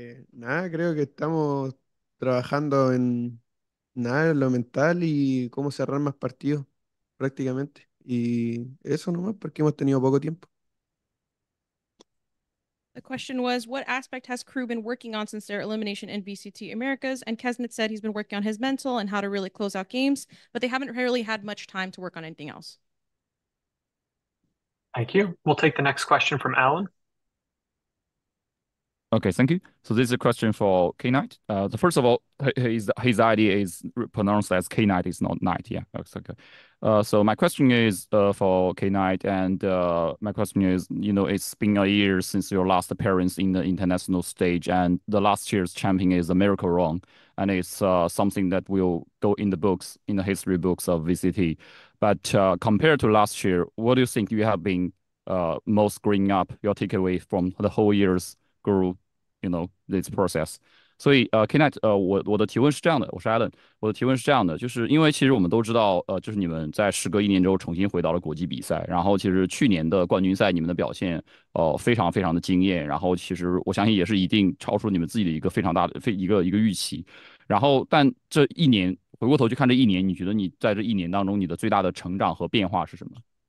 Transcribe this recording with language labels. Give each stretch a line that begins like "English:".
Spanish: Nada, creo que estamos trabajando en nada, lo mental y cómo cerrar más partidos prácticamente. Y eso nomás, porque hemos tenido poco tiempo.
English: The question was, what aspect has Crew been working on since their elimination in VCT Americas? And keznit said he's been working on his mental and how to really close out games, but they haven't really had much time to work on anything else. Thank you. We'll take the next question from Alan. Okay, thank you. So this is a question for K-Knight. So first of all, his ID is pronounced as K-Knight, it's not Knight, yeah. That's okay. So my question is for K-Knight, and my question is, you know, it's been a year since your last appearance in the international stage, and the last year's champion is a miracle run, and it's something that will go in the books, in the history books of VCT. But compared to last year, what do you think you have been most growing up, your takeaway from the whole year's grew, you know, this process.
Chinese: So, Kenneth, 我的提问是这样的，我是Alan，我的提问是这样的，就是因为其实我们都知道，就是你们在时隔一年之后重新回到了国际比赛，然后其实去年的冠军赛你们的表现，非常非常的惊艳，然后其实我相信也是一定超出你们自己的一个非常大的一个预期，然后但这一年回过头去看这一年，你觉得你在这一年当中你的最大的成长和变化是什么？